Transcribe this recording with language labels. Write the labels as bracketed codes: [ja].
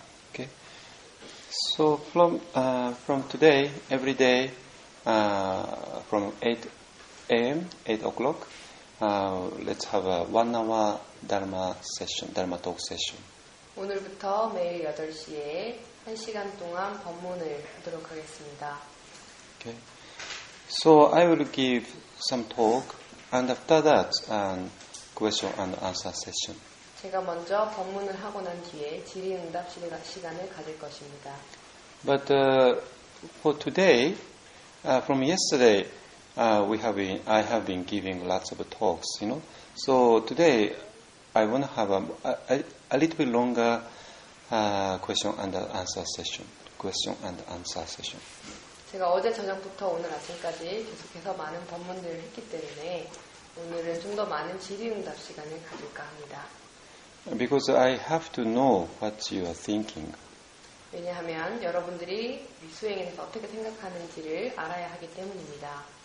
[en] Okay. So from today, every day, from 8 a.m., 8 o'clock, let's have a 1 hour Dharma session, Dharma talk session. [ko] 오늘부터 매일 8시에 1시간 동안 법문을 하도록 하겠습니다. [en] Okay. So I will give some talk, and after that, question and answer session. [ko] 제가 먼저 법문을 하고 난 뒤에 질의응답 시간을 가질 것입니다. [en] But for today, from yesterday, I have been giving lots of talks, you know. So today, I want to have a little bit longer question and answer session. Question and answer session. [ko] 제가 어제 저녁부터 오늘 아침까지 계속해서 많은 법문들을 했기 때문에 오늘은 좀 더 많은 질의응답 시간을 가질까 합니다. [en] Because I have to know what you are thinking. [ko] 왜냐하면 여러분들이 수행에 대해서 어떻게 생각하는지를 알아야 하기 때문입니다.